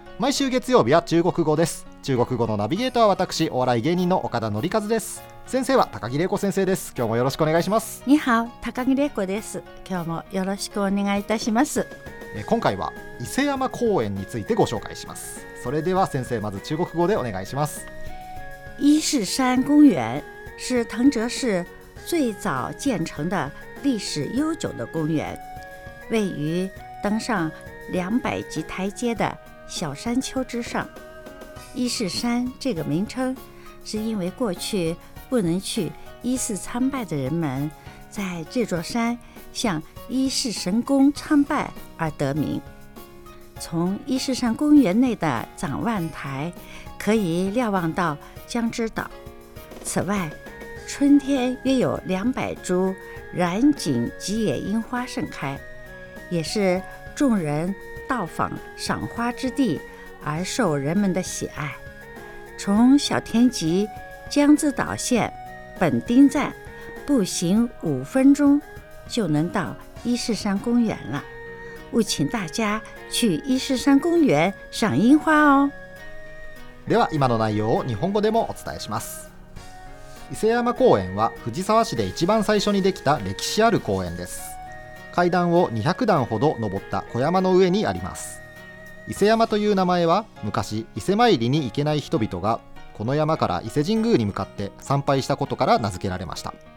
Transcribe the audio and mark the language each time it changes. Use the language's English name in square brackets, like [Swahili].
[Japanese] 毎週月曜日は中国語です。中国語のナビゲーターは私、お笑い芸人の岡田紀一です。先生は高木玲子先生です。今日もよろしくお願いします。 [Chinese] 你好、 [Japanese] 高木玲子です。今日もよろしくお願いいたします。今回は伊勢山公園についてご紹介します。それでは先生、まず中国語でお願いします。 [Chinese] 伊勢山公園是藤泽市最早建成的历史悠久的公园，位于登上200级台阶的小山丘之上。伊势山这个名称是因为过去不能去伊势参拜的人们在这座山向伊势神宫参拜而得名。从伊势山公园内的展望台可以瞭望到江之岛。此外，春天约有200株染井吉野樱花盛开，也是众人到访赏花之地而受人们的喜爱。从小天吉江之岛县本町站步行5分钟就能到伊势山公园了，务请大家去伊势山公园赏樱花哦。 [Japanese] では今の内容を日本語でもお伝えします。伊勢山公園は藤沢市で一番最初にできた歴史ある公園です。階段を200段ほど登った小山の上にあります。伊勢山という名前は、昔伊勢参りに行けない人々がこの山から伊勢神宮に向かって参拝したことから名付けられました。